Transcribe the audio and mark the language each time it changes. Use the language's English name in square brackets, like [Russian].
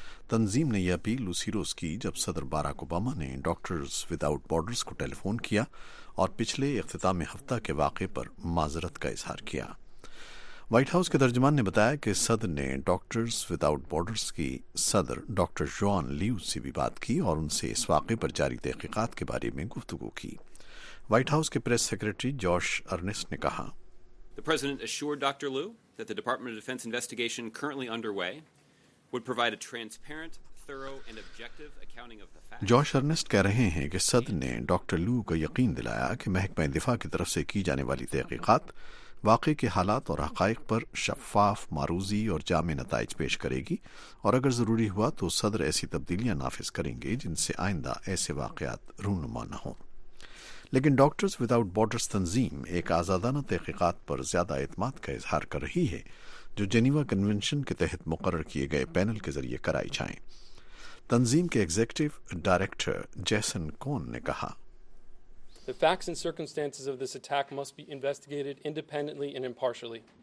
[Urdu] تنظیم نے یہ اپیل اسی روز کی جب صدر باراک اوباما نے ڈاکٹرز ود آؤٹ بارڈرز کو ٹیلی فون کیا اور پچھلے اختتام ہفتہ کے واقعے پر معذرت کا اظہار کیا. وائٹ ہاؤس کے ترجمان نے بتایا کہ صدر نے ڈاکٹرز ود آؤٹ بارڈرز کی صدر ڈاکٹر جوان لیو سے بھی بات کی اور ان سے اس واقعے پر جاری تحقیقات کے بارے میں گفتگو کی. وائٹ ہاؤس کے پریس سیکرٹری جوش ارنسٹ نے کہا، [English] The president assured Dr. Liu that the Department of Defense investigation currently underway would provide a transparent, thorough and objective accounting of the facts. [Urdu] جوش ارنسٹ کہہ رہے ہیں کہ صدر نے ڈاکٹر لیو کو یقین دلایا کہ محکمہ دفاع کی طرف سے کی جانے والی تحقیقات واقعے کے حالات اور حقائق پر شفاف، معروضی اور جامع نتائج پیش کرے گی، اور اگر ضروری ہوا تو صدر ایسی تبدیلیاں نافذ کریں گے جن سے آئندہ ایسے واقعات رونما نہ ہوں. لیکن ڈاکٹرز ود آؤٹ بارڈرز تنظیم ایک آزادانہ تحقیقات پر زیادہ اعتماد کا اظہار کر رہی ہے جو جنیوا کنونشن کے تحت مقرر کیے گئے پینل کے ذریعے کرائی جائیں. تنظیم کے ایگزیکٹو ڈائریکٹر جیسن کون نے کہا، [English] The facts and circumstances of this attack must be investigated independently and impartially.